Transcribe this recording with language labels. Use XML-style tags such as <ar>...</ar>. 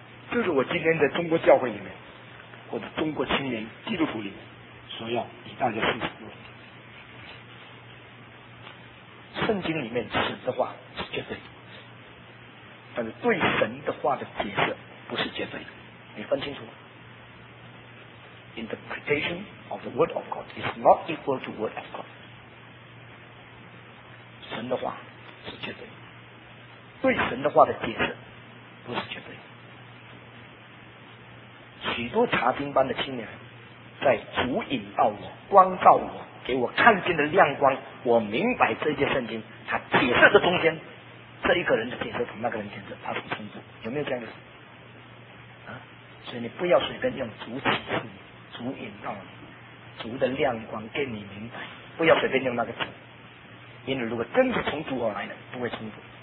<zh>这是我今天在中国教会里面或者中国青年基督徒里面所要以大家思考的问题。圣经里面神的话是绝对，但是对神的话的解释不是绝对的，你分清楚吗？</zh> <en>interpretation of the word of God is not equal to word of God.</en> <zh>神的话是绝对，对神的话的解释不是绝对。许多查经班的青年在主引导我、光照我、给我看见的亮光，我明白这些圣经他解释的中间，这一个人的解释同那个人解释他是冲突，有没有这样的事、所以你不要随便用主启示、主引导你、主的亮光给你明白，不要随便用那个词，因为如果真是从主而来的不会冲突。</zh>